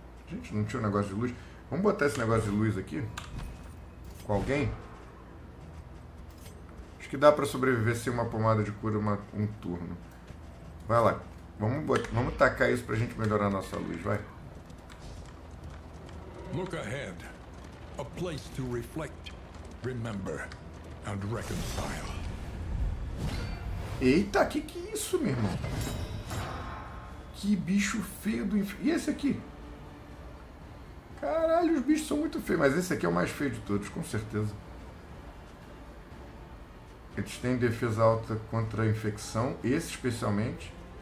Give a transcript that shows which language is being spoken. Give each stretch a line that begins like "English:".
Portuguese: Gente, não tinha um negócio de luz. Vamos botar esse negócio de luz aqui? Com alguém? Acho que dá pra sobreviver sem uma pomada de cura um turno. Vai lá. Vamos tacar isso pra gente melhorar a nossa luz, vai.
English: Look ahead. A place to reflect, remember, and reconcile.
Portuguese: Eita, que é isso, meu irmão? Que bicho feio do inferno. E esse aqui? Caralho, os bichos são muito feios, mas esse aqui é o mais feio de todos, com certeza. Eles têm defesa alta contra a infecção, esse especialmente.